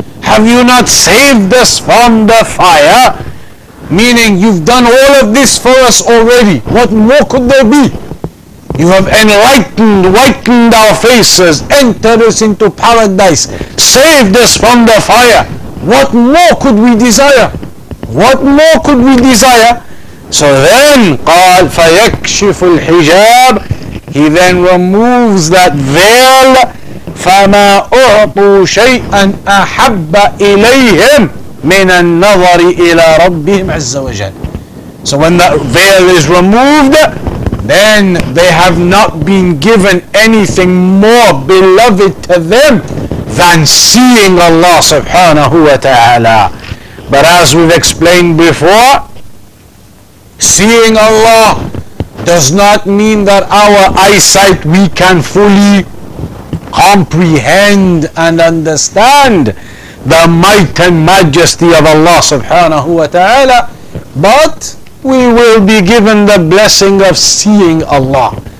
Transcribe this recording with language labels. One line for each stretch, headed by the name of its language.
English: Have you not saved us from the fire? Meaning, you've done all of this for us already. What more could there be? You have enlightened, whitened our faces, entered us into paradise, saved us from the fire. What more could we desire? What more could we desire? So then,
Arabic: قال فيكشف الحجاب.
English: He then removes that veil.
Arabic: فما أعطوا شيئا أحب إليهم من النظر إلى ربهم عز وجل.
English: So when that veil is removed, then they have not been given anything more beloved to them than seeing Allah subhanahu wa ta'ala. But as we've explained before, seeing Allah does not mean that our eyesight, we can fully comprehend and understand the might and majesty of Allah subhanahu wa ta'ala, but we will be given the blessing of seeing Allah.